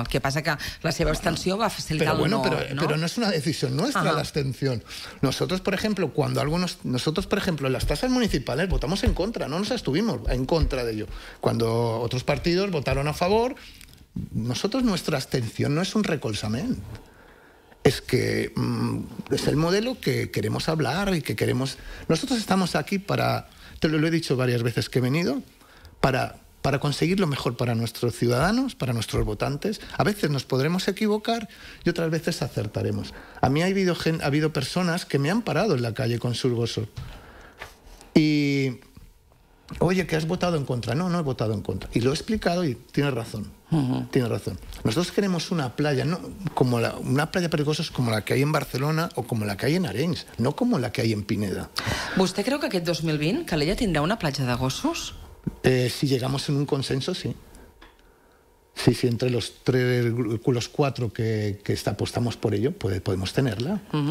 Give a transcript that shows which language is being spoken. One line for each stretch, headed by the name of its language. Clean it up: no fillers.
Catalan: El que passa que la seva abstenció va facilitar o no. Però no és una decisió nostra, l'abstenció.
Spanish: Nosotros, por ejemplo, cuando algo nos... Nosotros, por ejemplo, en las tasas municipales votamos en contra, no nos estuvimos en contra de ello. Cuando otros partidos votaron a favor, nosotros, nuestra abstenció no es un
Catalan: recolzament.
Spanish: Es que es el modelo que queremos hablar y que queremos... Nosotros estamos aquí para... Te lo he dicho varias veces que he venido, para conseguir lo mejor para nuestros ciudadanos, para nuestros votantes. A veces nos podremos equivocar y otras veces acertaremos. A mí ha habido personas que me han parado en la calle con su Gossos. Y, oye, ¿que has votado en contra? No, no he votado en contra. Y lo he explicado y tienes razón. Tienes razón. Nosotros queremos una playa, ¿no? Como una playa
Catalan: per Gossos
Spanish: como la que hay en Barcelona o como la que hay en Arenys, no como la que hay en Pineda.
Catalan: ¿Vostè creu que aquest 2020 Calella tindrà una platja de Gossos?
Spanish: Si llegamos en un consenso, sí. Sí, entre los tres, los cuatro que apostamos por ello, podemos tenerla.